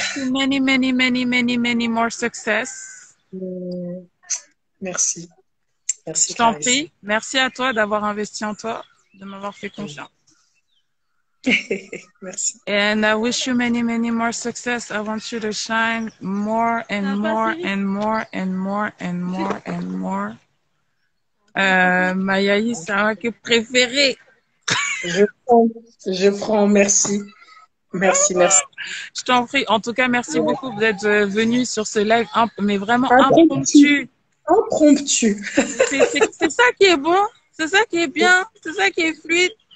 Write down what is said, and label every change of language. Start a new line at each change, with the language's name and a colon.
English: Many, many, many, many, many more success.
French: Merci. Merci. Je t'en prie. Merci à toi d'avoir investi en toi, de m'avoir fait confiance. Merci.
English: And I wish you many, many more success. I want you to shine more and more and more and more and more and more.
French: Mayaï, c'est moi qui préféré. Je prends. Merci. Merci, merci. Je t'en prie. En tout cas, merci beaucoup d'être venu sur ce live, mais vraiment impromptu. Impromptu. C'est ça qui est bon. C'est ça qui est bien. C'est ça qui est fluide.